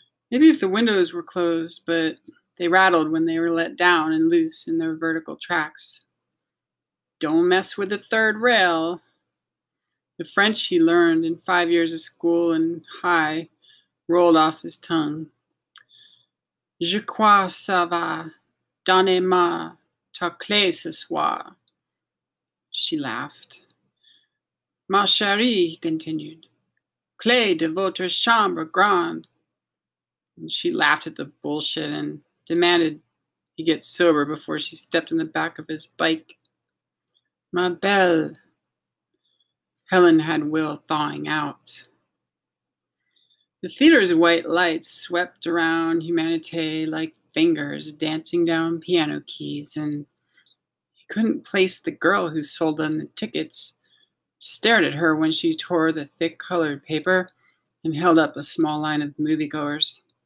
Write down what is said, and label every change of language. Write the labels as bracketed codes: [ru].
[en] Maybe if the windows were closed, but they rattled when they were let down and loose in their vertical tracks. Don't mess with the third rail. The French he learned in 5 years of school and high rolled off his tongue. [fr] Je crois ça va, donnez-moi ta clé ce soir. [en] She laughed. [fr] Ma chérie, [en] he continued, [fr] clé de votre chambre grande. [en] And she laughed at the bullshit and demanded he get sober before she stepped in the back of his bike. [fr] Ma belle. [en] Helen had Will thawing out. The theater's white lights swept around Humanité like fingers dancing down piano keys, and he couldn't place the girl who sold them the tickets, stared at her when she tore the thick colored paper and held up a small line of moviegoers.